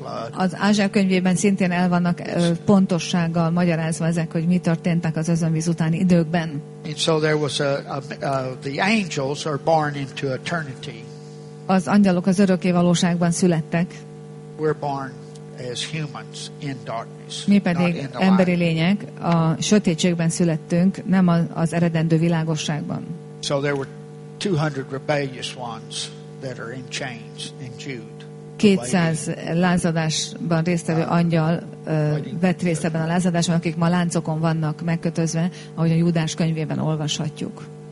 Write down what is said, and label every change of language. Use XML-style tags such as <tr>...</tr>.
<hu>Az Ázsia könyvében szintén el vannak pontossággal magyarázva ezek, hogy mi történtek az özönvíz utáni időkben.</hu> <en>And so there was the angels are born into eternity.</en> <hu>Az angyalok az örökké valóságban születtek.</hu> <en>We're born as humans in darkness.</en> <hu>Mi pedig emberi lények a sötétségben születtünk, nem az eredendő világosságban.</hu> <en>So there were 200 rebellious ones that are in chains in Jude.</en> <hu>200 lázadásban résztvevő angyal vett részt ebben a lázadásban, akik ma láncokon vannak megkötözve, ahogy a Júdás könyvében olvashatjuk.</hu>